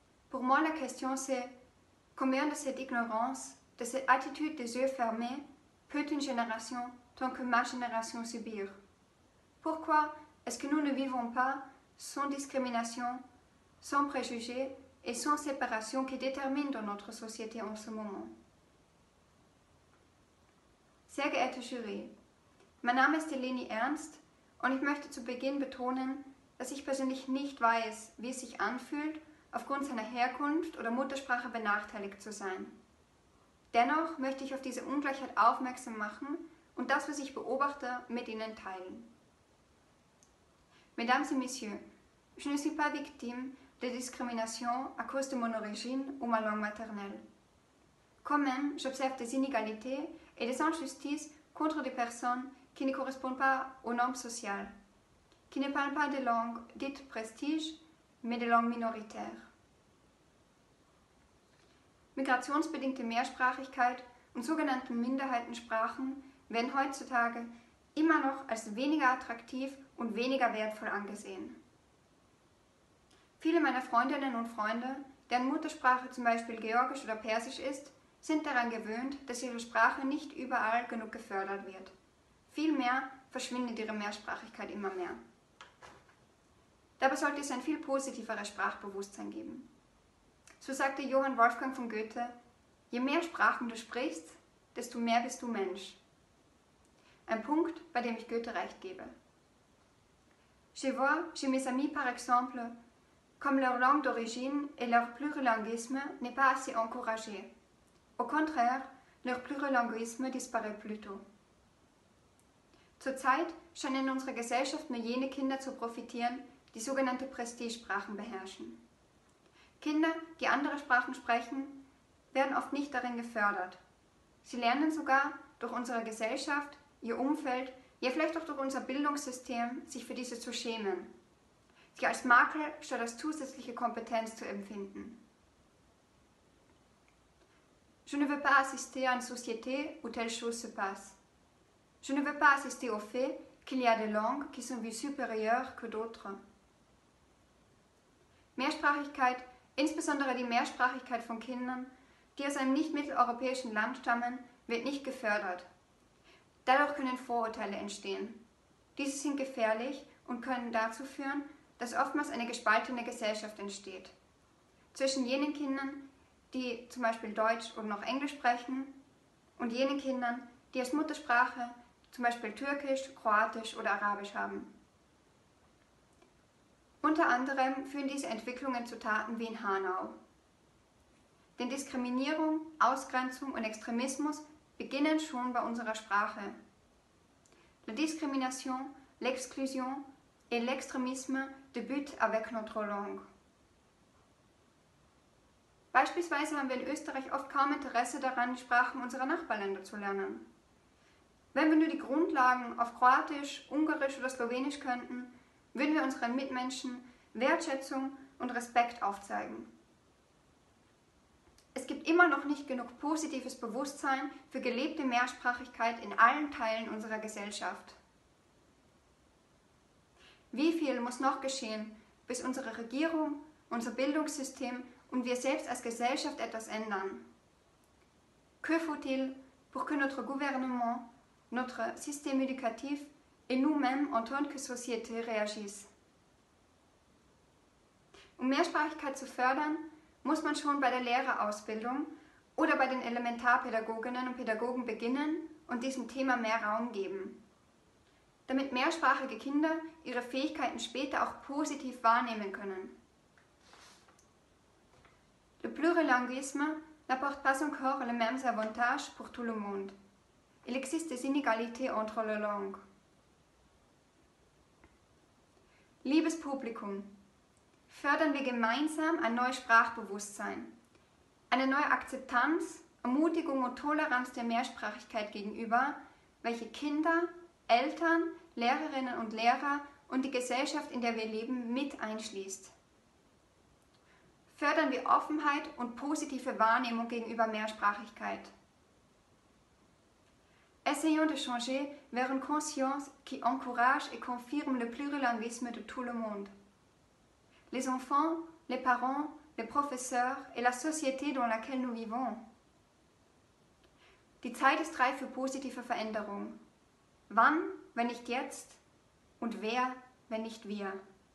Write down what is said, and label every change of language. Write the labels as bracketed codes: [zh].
[fr] Pour moi la question c'est combien de cette ignorance, de cette attitude des yeux fermés, peut une génération tant que ma génération subir? Pourquoi est-ce que nous ne vivons pas sans discrimination, sans préjugés et sans séparation qui détermine dans notre société en ce moment? [de] Sehr geehrte Jury, mein Name ist Eleni Ernst und ich möchte zu Beginn betonen, dass ich persönlich nicht weiß, wie es sich anfühlt, aufgrund seiner Herkunft oder Muttersprache benachteiligt zu sein. Dennoch möchte ich auf diese Ungleichheit aufmerksam machen und das, was ich beobachte, mit Ihnen teilen. [fr] Mesdames et Messieurs, je ne suis pas victime de discrimination à cause de mon origine ou ma langue maternelle. Quand même, j'observe des inégalités et des injustices contre des personnes qui ne correspondent pas aux normes sociales, qui ne parlent pas de langues dites prestige, mais de langues minoritaires. [de] Migrationsbedingte Mehrsprachigkeit und sogenannte Minderheitensprachen werden heutzutage immer noch als weniger attraktiv und weniger wertvoll angesehen. Viele meiner Freundinnen und Freunde, deren Muttersprache zum Beispiel Georgisch oder Persisch ist, sind daran gewöhnt, dass ihre Sprache nicht überall genug gefördert wird. Vielmehr verschwindet ihre Mehrsprachigkeit immer mehr. Dabei sollte es ein viel positiveres Sprachbewusstsein geben. So sagte Johann Wolfgang von Goethe, je mehr Sprachen du sprichst, desto mehr bist du Mensch. Ein Punkt, bei dem ich Goethe recht gebe. [fr] Je vois chez mes amis par exemple, comme leur langue d'origine et leur plurilinguisme n'est pas assez encouragé. Au contraire, leur plurilinguisme disparaît plutôt. [de] Zurzeit scheinen in unserer Gesellschaft nur jene Kinder zu profitieren, die sogenannte Prestigesprachen beherrschen. Kinder, die andere Sprachen sprechen, werden oft nicht darin gefördert. Sie lernen sogar durch unsere Gesellschaft, ihr Umfeld, ja vielleicht auch durch unser Bildungssystem, sich für diese zu schämen, sie als Makel statt als zusätzliche Kompetenz zu empfinden. [fr] Je ne veux pas assister à une société où telle chose se passe. Je ne veux pas assister au fait qu'il y a des langues qui sont vues supérieures que d'autres. [de] Mehrsprachigkeit, insbesondere die Mehrsprachigkeit von Kindern, die aus einem nicht mitteleuropäischen Land stammen, wird nicht gefördert. Dadurch können Vorurteile entstehen. Diese sind gefährlich und können dazu führen, dass oftmals eine gespaltene Gesellschaft entsteht. Zwischen jenen Kindern, die zum Beispiel Deutsch und noch Englisch sprechen, und jenen Kindern, die als Muttersprache zum Beispiel Türkisch, Kroatisch oder Arabisch haben. Unter anderem führen diese Entwicklungen zu Taten wie in Hanau. Denn Diskriminierung, Ausgrenzung und Extremismus beginnen schon bei unserer Sprache. [fr] La discrimination, l'exclusion et l'extremisme débutent avec notre langue. [de] Beispielsweise haben wir in Österreich oft kaum Interesse daran, die Sprachen unserer Nachbarländer zu lernen. Wenn wir nur die Grundlagen auf Kroatisch, Ungarisch oder Slowenisch könnten, würden wir unseren Mitmenschen Wertschätzung und Respekt aufzeigen. Es gibt immer noch nicht genug positives Bewusstsein für gelebte Mehrsprachigkeit in allen Teilen unserer Gesellschaft. Wie viel muss noch geschehen, bis unsere Regierung, unser Bildungssystem und wir selbst als Gesellschaft etwas ändern? [fr] Que faut-il pour que notre gouvernement, notre système éducatif et nous même en tant que société réagissent. [de] Um Mehrsprachigkeit zu fördern, muss man schon bei der Lehrerausbildung oder bei den Elementarpädagoginnen und Pädagogen beginnen und diesem Thema mehr Raum geben. Damit mehrsprachige Kinder ihre Fähigkeiten später auch positiv wahrnehmen können. [fr] Le plurilinguisme n'apporte pas encore les mêmes avantages pour tout le monde. Il existe des inégalités entre les langues. [de] Liebes Publikum, fördern wir gemeinsam ein neues Sprachbewusstsein, eine neue Akzeptanz, Ermutigung und Toleranz der Mehrsprachigkeit gegenüber, welche Kinder, Eltern, Lehrerinnen und Lehrer und die Gesellschaft, in der wir leben, mit einschließt. Fördern wir Offenheit und positive Wahrnehmung gegenüber Mehrsprachigkeit. [fr] Essayons de changer vers une conscience qui encourage et confirme le plurilinguisme de tout le monde. Les enfants, les parents, les professeurs et la société dans laquelle nous vivons. [de] Die Zeit ist reif für positive Veränderungen. Wann, wenn nicht jetzt? Und wer, wenn nicht wir?